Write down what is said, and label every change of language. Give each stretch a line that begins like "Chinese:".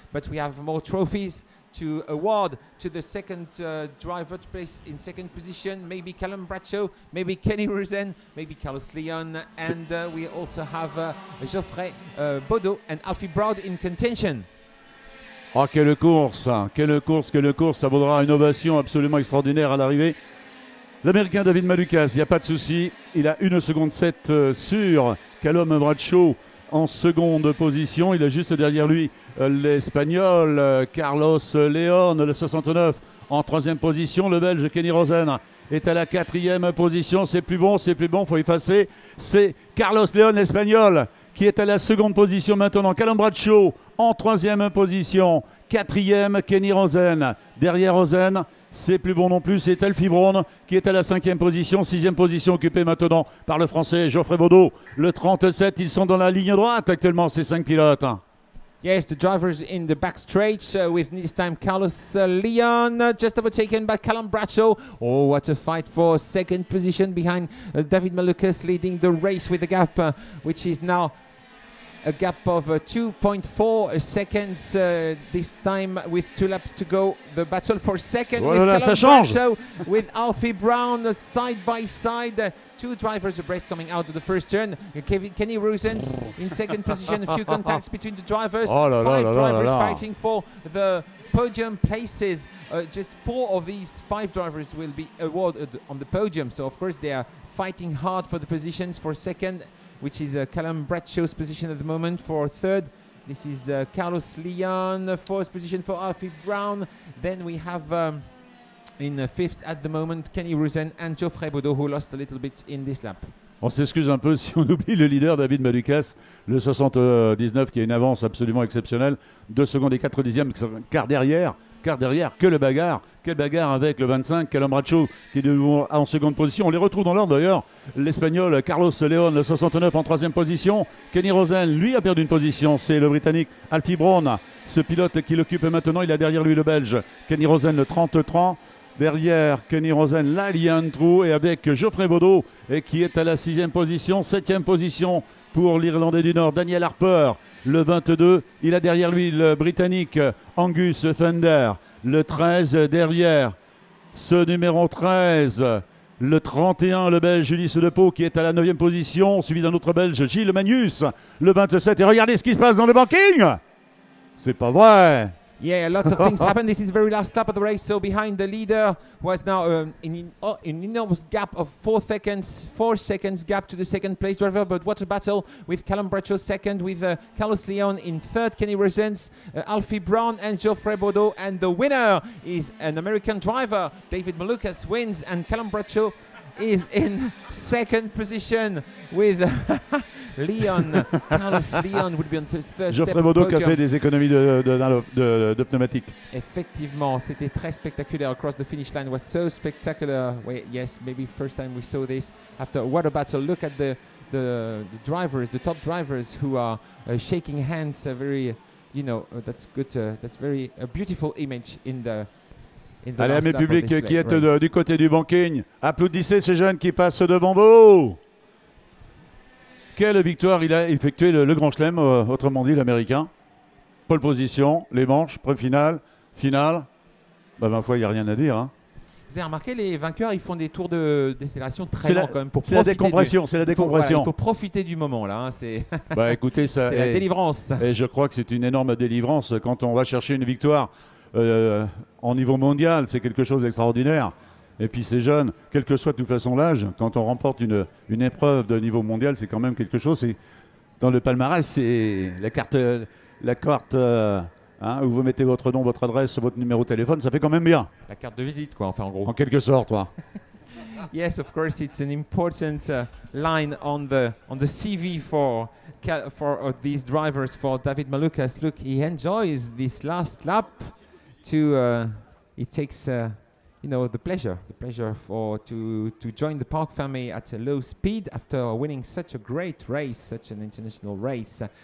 English: But we have more trophies to award to the second driver to place in second position, maybe Callum Bracho, maybe Kenny Rosen, maybe Carlos Leon, and we also have Geoffrey Baudot and Alfie Broad in contention.
French: Oh, quelle course, hein. quelle course, ça vaudra une ovation absolument extraordinaire à l'arrivée. L'Américain David Malukas, il n'y a pas de souci, il a 1 seconde 7 sur Callum Bracho en seconde position. Il a juste derrière lui l'Espagnol Carlos Leon, le 69, en troisième position. Le Belge Kenny Rosen est à la quatrième position. C'est plus bon, il faut effacer. C'est Carlos Leon, l'Espagnol, qui est à la seconde position maintenant. Callum Bracho en troisième position. Quatrième, Kenny Rosen. Derrière Rosen, c'est plus bon non plus. C'est Alfie Brown qui est à la cinquième position. Sixième position occupée maintenant par le Français Geoffrey Baudot. Le 37, ils sont dans la ligne droite actuellement, ces cinq pilotes.
English: Yes, the drivers in the back straight with this time Carlos Leon just overtaken by Callum Bracho. Oh, what a fight for second position behind David Malukas, leading the race with a gap which is now a gap of 2.4 seconds this time with two laps to go. The battle for second,
French: voilà,
English: with Callum Bracho change. With Alfie Brown side by side. Two drivers abreast coming out of the first turn. Kenny Rosens in second position. A few contacts between the drivers.
French: Oh, la,
English: five
French: la, la,
English: drivers
French: la, la, la.
English: Fighting for the podium places. Just four of these five drivers will be awarded on the podium. So, of course, they are fighting hard for the positions for second, which is Callum Bradshaw's position at the moment. For third, this is Carlos Leon. Fourth position for Alfie Brown. Then we have in the fifth at the moment, Kenny Rosen and Geoffrey Baudot, who lost a little bit in this lap.
French: On s'excuse un peu si on oublie le leader David Malukas, le 79, qui a une avance absolument exceptionnelle. 2 secondes et 4 dixièmes, quart derrière, que le bagarre. Quelle bagarre avec le 25, Callum Bracho, qui est de nouveau en seconde position. On les retrouve dans l'ordre d'ailleurs. L'Espagnol Carlos Leon, le 69, en troisième position. Kenny Rosen, lui, a perdu une position. C'est le Britannique Alfie Brown, ce pilote qui l'occupe maintenant. Il a derrière lui le Belge Kenny Rosen, le 33. Derrière Kenny Rosen, là, il y a un trou. Et avec Geoffrey Baudot, et qui est à la sixième position. Septième position pour l'Irlandais du Nord, Daniel Harper, le 22. Il a derrière lui le Britannique Angus Fender, le 13. Derrière ce numéro 13, le 31, le Belge Ulysse Depau, qui est à la 9e position, suivi d'un autre Belge, Gilles Magnus, le 27. Et regardez ce qui se passe dans le banking! C'est pas vrai!
English: Yeah, lots of things happened. This is the very last lap of the race. So behind the leader was now an enormous gap of 4 seconds gap to the second place driver. But what a battle with Callum Bracho second, with Carlos Leon in third, Kenny Rosens, Alfie Brown and Geoffrey Baudot. And the winner is an American driver. David Malukas wins and Callum Bracho is in second position with Leon. Carlos Leon would be on the third step.
French: Geoffrey Baudot qui a fait des économies de pneumatique. Effectivement, c'était très spectaculaire
English: across the finish line. It was so spectacular. Wait, yes, maybe first time we saw this. After what a battle. Look at the drivers, the top drivers who are shaking hands. That's good. That's very beautiful image in the.
French: Allez, mes publics qui êtes du côté du banking, applaudissez ces jeunes qui passent devant vous. Quelle victoire il a effectué, le grand chelem, autrement dit l'Américain. Pole position, les manches, finale. Bah, 20 fois, il n'y a rien à dire. Hein. Vous avez remarqué, les vainqueurs, ils font des tours de décélération très lents quand même. Pour c'est la décompression, Il faut profiter du moment, là. Hein, c'est bah, écoutez, ça, c'est la délivrance. Et je crois que c'est une énorme délivrance quand on va chercher une victoire. En niveau mondial, c'est quelque chose d'extraordinaire. Et puis ces jeunes, quel que soit de toute façon l'âge, quand on remporte une épreuve de niveau mondial, c'est quand même quelque chose. C'est dans le palmarès, c'est la carte hein, où vous mettez votre nom, votre adresse, votre numéro de téléphone, ça fait quand même bien. La carte de visite, quoi, enfin, en gros. En quelque sorte, quoi.
English: Yes, of course, it's an important line on the CV for these drivers, for David Malukas. Look, he enjoys this last lap. It takes the pleasure to join the Park family at a low speed after winning such a great race, such an international race.